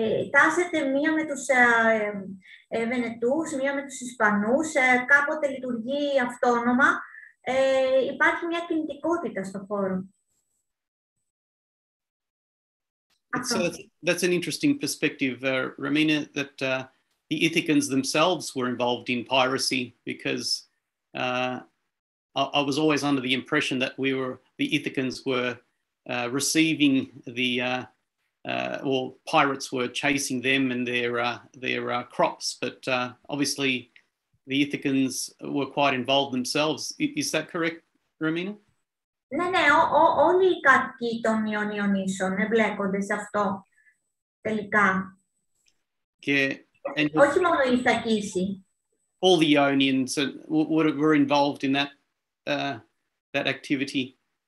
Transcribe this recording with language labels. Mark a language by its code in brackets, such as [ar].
[el] Τάσεται μία με τους Βενετούς, μία με τους Ισπανούς, κάποτε λειτουργεί αυτόνομα. Υπάρχει μία κινητικότητα στο χώρο. [en] That's an interesting perspective, Romina, that the Ithacans themselves were involved in piracy, because I was always under the impression that the Ithacans were receiving the or pirates were chasing them and their crops, but obviously the Ithacans were quite involved themselves. Is that correct, Romina? [el] Ναι, όλοι οι κάτοικοι των Ιωνίων νήσων εμπλέκονται σε αυτό. τελικά. Και, όχι μόνο η Ιθακίση. [en] All the Ionians were involved in that activity.